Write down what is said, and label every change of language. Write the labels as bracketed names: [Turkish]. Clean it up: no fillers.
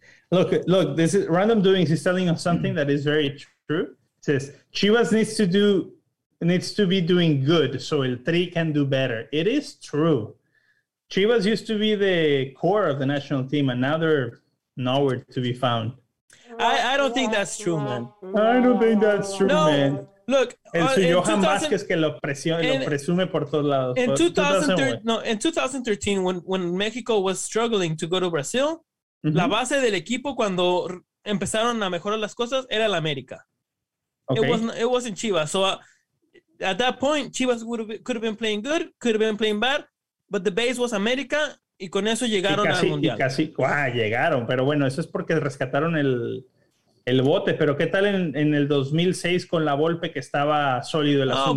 [English] look, this is Random Doings is telling us something that is very true. It says Chivas needs to be doing good so El Tri can do better. It is true. Chivas used to be the core of the national team, and now they're nowhere to be found. I don't think that's true, man. I don't think that's true, no, man. Look, [Spanish] el señor Johan Vázquez que lo presume por todos lados. [English] In 2013, when Mexico was struggling to go to Brazil, mm-hmm, [Spanish] la base del equipo cuando empezaron a mejorar las cosas era el América. [English] Okay. It wasn't Chivas. So at that point, Chivas could have been playing good, could have been playing bad, but the base was America, [Spanish] y con eso llegaron casi, al Mundial. Y casi, wow, llegaron, pero bueno, eso es porque rescataron el bote, pero ¿qué tal en el 2006 con la Volpe que estaba sólido el asunto?